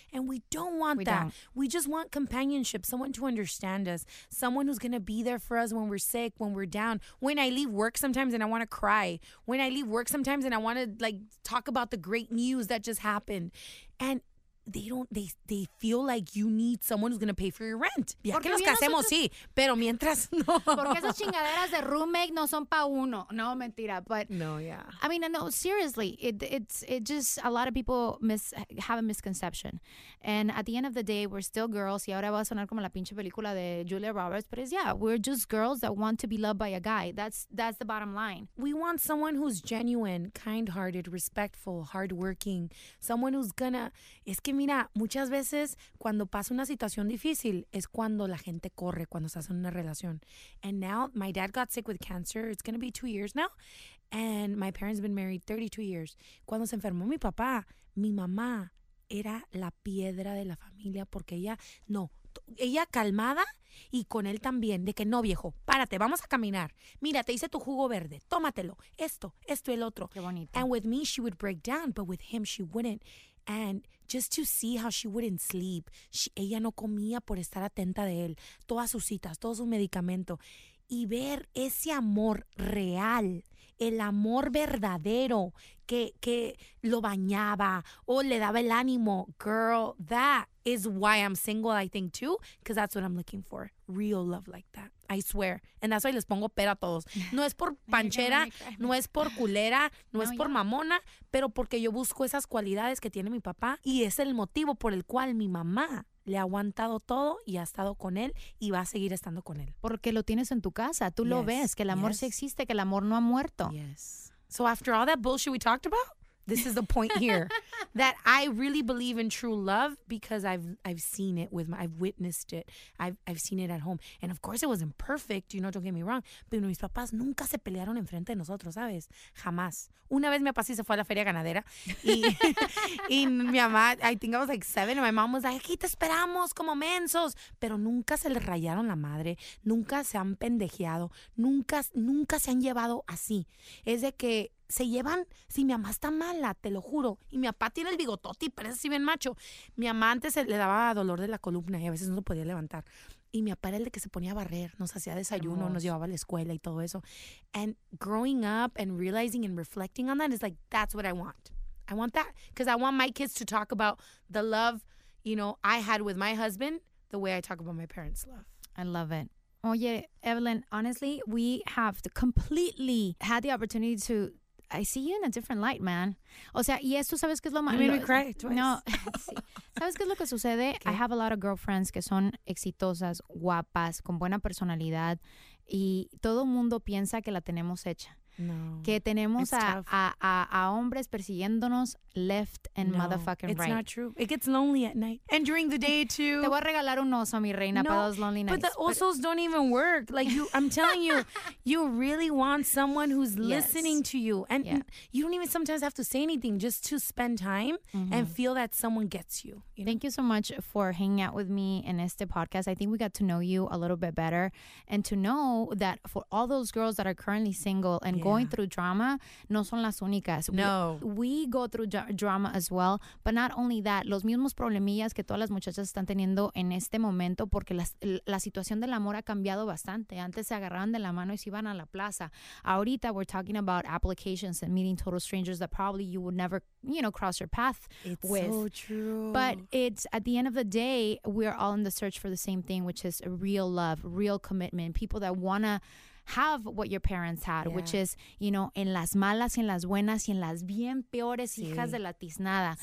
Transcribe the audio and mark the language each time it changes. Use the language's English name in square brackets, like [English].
[English] And we don't want that. We just want companionship. Someone to understand us. Someone who's going to be there for us when we're sick, when we're down. When I leave work sometimes and I want to cry. When I leave work sometimes and I want to, like, talk about the great news that just happened. And they feel like you need someone who's going to pay for your rent. [Spanish] Ya que nos casemos, sí, pero mientras no. Porque esas chingaderas de roommate no son pa uno. No, mentira, but [English] no, yeah. I mean, no, seriously, it's just a lot of people have a misconception. And at the end of the day, we're still girls. [Spanish] Y ahora va a sonar como la pinche película de Julia Roberts, [English] but it's, yeah, we're just girls that want to be loved by a guy. That's the bottom line. We want someone who's genuine, kind-hearted, respectful, hardworking, someone who's going to... [Spanish] Es que mira, muchas veces cuando pasa una situación difícil es cuando la gente corre, cuando se hace una relación. [English] And now, my dad got sick with cancer. It's going to be 2 years now. And my parents have been married 32 years. [Spanish] Cuando se enfermó mi papá, mi mamá era la piedra de la familia porque ella calmada y con él también, de que no, viejo, párate, vamos a caminar. Mira, te hice tu jugo verde, tómatelo, esto, el otro. Qué bonito. [English] And with me, she would break down, but with him, she wouldn't. And just to see how she wouldn't sleep. [Spanish] Ella no comía por estar atenta de él. Todas sus citas, todo su medicamento. Y ver ese amor real, el amor verdadero que lo bañaba o le daba el ánimo. [English] Girl, that is why I'm single, I think, too. Because that's what I'm looking for. Real love like that. I swear. And that's why [Spanish] les pongo pera a todos. No es por panchera, no es por culera, no es por mamona, pero porque yo busco esas cualidades que tiene mi papá y es el motivo por el cual mi mamá le ha aguantado todo y ha estado con él y va a seguir estando con él. Porque lo tienes en tu casa. Tú lo ves, que el amor sí existe, que el amor no ha muerto. [English] Yes. So after all that bullshit we talked about, this is the point here. that I really believe in true love because I've seen it with my, I've witnessed it. I've seen it at home. And of course it wasn't perfect, you know, don't get me wrong. [Spanish] Pero mis papás nunca se pelearon enfrente de nosotros, ¿sabes? Jamás. Una vez mi papá sí se fue a la feria ganadera y mi mamá, [English] I think I was like [Spanish] 7 and my mom was like, aquí te esperamos como mensos. Pero nunca se le rayaron la madre, nunca se han pendejeado, nunca se han llevado así. Es de que se llevan, si mi mamá está mala, te lo juro, y mi papá tiene el bigotote y parece así bien macho. Mi mamá antes le daba dolor de la columna y a veces no lo podía levantar. Y mi papá era el de que se ponía a barrer, nos hacía desayuno, nos llevaba a la escuela y todo eso. [English] And growing up and realizing and reflecting on that is like, that's what I want. I want that because I want my kids to talk about the love, you know, I had with my husband the way I talk about my parents' love. I love it. Oye, Evelyn, honestly, we have completely had the opportunity to, I see you in a different light, man. [Spanish] O sea, y esto, ¿sabes qué es lo más? [English] You made me cry twice. [Spanish] No, sí. ¿Sabes qué es lo que sucede? [English] Okay. I have a lot of girlfriends [Spanish] que son exitosas, guapas, con buena personalidad, y todo mundo piensa que la tenemos hecha. No. Que tenemos a hombres persiguiéndonos [English] left and motherfucking it's right. It's not true. It gets lonely at night. And during the day, too. [Spanish] Te voy a regalar un oso, mi reina, para [English] those lonely nights. But the osos don't even work. Like, I'm telling you, you really want someone who's listening to you. And you don't even sometimes have to say anything just to spend time and feel that someone gets you. Thank you so much for hanging out with me in este podcast. I think we got to know you a little bit better. And to know that for all those girls that are currently single and going through drama, [Spanish] no son las únicas. [English] No. We go through drama as well. But not only that, [Spanish] los mismos problemillas que todas las muchachas están teniendo en este momento, porque la situación del amor ha cambiado bastante. Antes se agarraban de la mano y se iban a la plaza. [English] Ahorita we're talking about applications and meeting total strangers that probably you would never, you know, cross your path with. It's so true. But it's at the end of the day, we're all in the search for the same thing, which is real love, real commitment, people that want to have what your parents had, which is, you know, [Spanish] en las malas, en las buenas, y en las bien peores hijas de la tiznada.